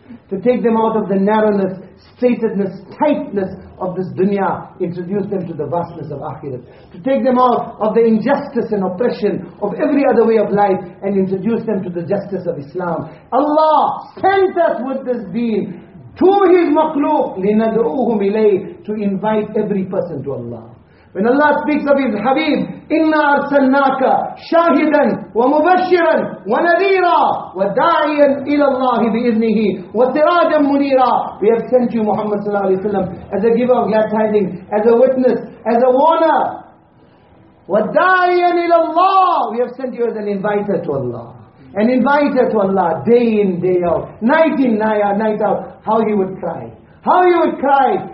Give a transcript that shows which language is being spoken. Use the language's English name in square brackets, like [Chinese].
[English] To take them out of the narrowness, statedness, tightness of this dunya, introduce them to the vastness of akhirat. To take them out of the injustice and oppression of every other way of life and introduce them to the justice of Islam. Allah sent us with this deen to His makhluq, [Arabic] لِنَدْعُوهُمْ إِلَيْهِ, [English] to invite every person to Allah. When Allah speaks of His Habib, [Arabic] إِنَّا أَرْسَلْنَاكَ شَاهِدًا وَمُبَشِّرًا وَنَذِيرًا وَدَاعِيًا إِلَى اللَّهِ بِإِذْنِهِ وَسِرَاجًا مُنِيرًا. [English] We have sent you Muhammad sallallahu alayhi wa sallam as a giver of glad tidings, as a witness, as a warner. [Arabic] وَدَاعِيًا إِلَى اللَّهِ, [English] we have sent you as an inviter to Allah. An inviter to Allah, day in, day out, night in, night out. How He would cry. How you would cry.